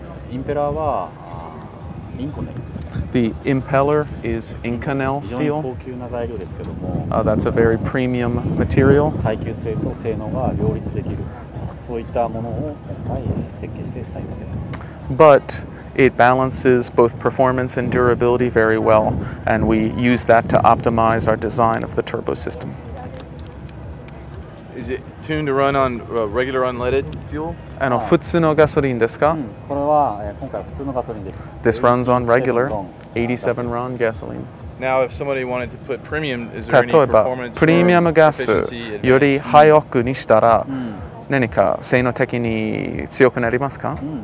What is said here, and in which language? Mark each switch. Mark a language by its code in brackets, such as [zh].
[ja] インペラーはインコネル。 [en] The impeller is Inconel steel. [ja] 非常に高級な材料ですけども。 [en] That's a very premium material. [ja] 耐久性と性能が両立できる。そういったものを、設計して採用しています。 [en] But It balances both performance and durability very well, and we use that to optimize our design of the turbo system. Is it tuned to run on regular unleaded fuel? [ja] あの、普通のガソリンですか? [en] This runs on regular 87 ron gasoline. Now if somebody wanted to put premium, is there any performance or efficiency advantage? [ja] 例えばプレミアムガスよりハイオクにしたら何か性能的に強くなりますか?